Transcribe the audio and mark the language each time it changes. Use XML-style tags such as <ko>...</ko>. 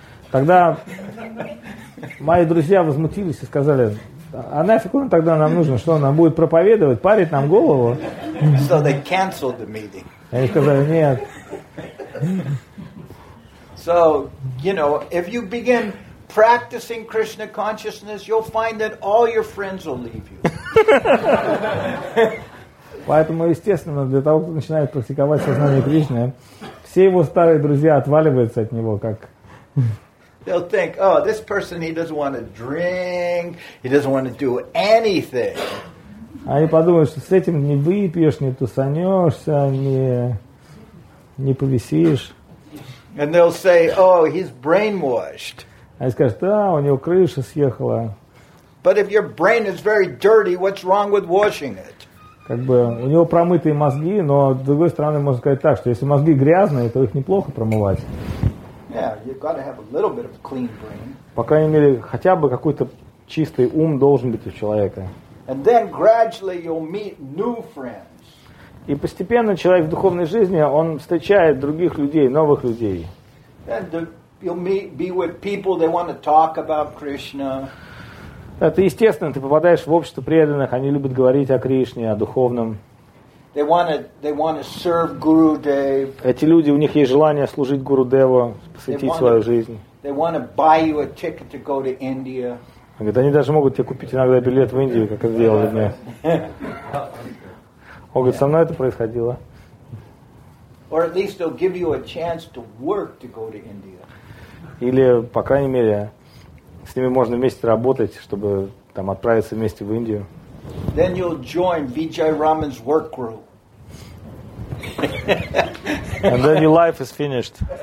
<ru>Тогда мои друзья возмутились и сказали, а нафиг он тогда нам нужен, что он нам будет проповедовать, парить нам голову?</ru> <en>So they canceled the meeting.</en> <ru>Они сказали, нет.</ru> <en>So, you know, if you begin practicing Krishna consciousness, you'll find that all your friends will leave you.</en> <ru>Поэтому, естественно, для того, кто начинает практиковать сознание Кришны, все его старые друзья отваливаются от него, как...</ru> <en>They'll think, oh, this person, he doesn't want to drink, he doesn't want to do anything.</en> <ru>Они подумают, что с этим не выпьешь, не тусанешься, не повисишь.</ru> <en>And they'll say, oh, he's brainwashed.</en> <ru>Они скажут, да, у него крыша съехала.</ru> <en>But if your brain is very dirty, what's wrong with washing it?</en> <ru>Как бы у него промытые мозги, но с другой стороны можно сказать так, что если мозги грязные, то их неплохо промывать.</ru> <en>Yeah, you've got to have a little bit of a clean brain.</en> <ru>По крайней мере, хотя бы какой-то чистый ум должен быть у человека.</ru> <en>And then gradually you'll meet new friends.</en> <ru>И постепенно человек в духовной жизни, он встречает других людей, новых людей.</ru> <en>And you'll meet, be with people they want to talk about Krishna.</en> <ru>Это естественно, ты попадаешь в общество преданных, они любят говорить о Кришне, о духовном.</ru> <en>They want to serve Guru Dev.</en> <ru>Эти люди, у них есть желание служить Гуру Деву, посвятить свою жизнь.</ru> <en>They want to buy you a ticket to go to India.</en> <ru>Они даже могут тебе купить иногда билет в Индию, как это делали мне. Он говорит, со мной это происходило.</ru> <en>Or at least they'll give you a chance to work to go to India.</en> <ru>Или, по крайней мере, с ними можно вместе работать, чтобы там отправиться вместе в Индию.</ru> <en>Then you'll join Vijay Raman's work group. And then your life is finished.</en>